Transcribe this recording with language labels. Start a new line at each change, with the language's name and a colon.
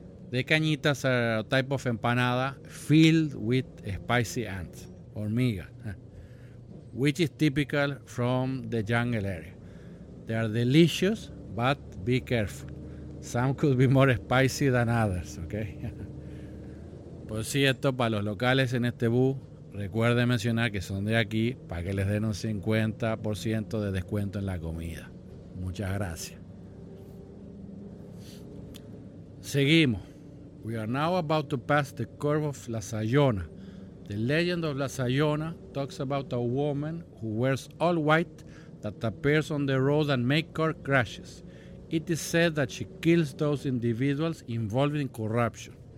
English: The cañitas are a type of empanada filled with spicy ants, hormiga, which is typical from the jungle area. They are delicious, but be careful. Some could be more spicy than others, okay?
Spanish: Por cierto, para los locales en este bus, recuerde mencionar que son de aquí para que les den un 50% de descuento en la comida. Muchas gracias. Seguimos.
English: We are now about to pass the curve of La Sayona. The legend of La Sayona talks about a woman who wears all white that appears on the road and makes car crashes. It is said that she kills those individuals involved in corruption.